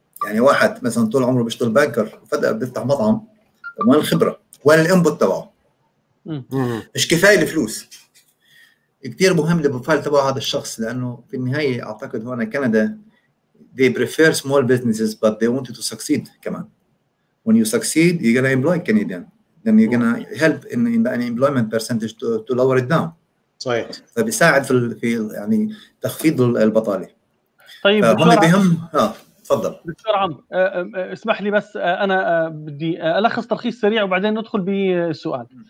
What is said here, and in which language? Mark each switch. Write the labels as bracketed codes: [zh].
[ar] يعني واحد مثلا طول عمره بيشتغل بانكر وفجاه بيفتح مطعم، وين الخبره؟ وين الانبوت تبعه؟ مش كفايه الفلوس. كتير مهم البروفايل تبع هذا الشخص، لأنه في النهاية أعتقد هنا كندا [en] they prefer small businesses but they want you to succeed. كمان when you succeed you're gonna employ Canadian, then you're gonna help in the unemployment percentage to lower it down. [ar] صحيح. فبيساعد في يعني تخفيض البطالة. طيب هم بهم. تفضل دكتور عمرو، اسمح لي بس أنا بدي ألخص ترخيص سريع وبعدين ندخل بسؤال.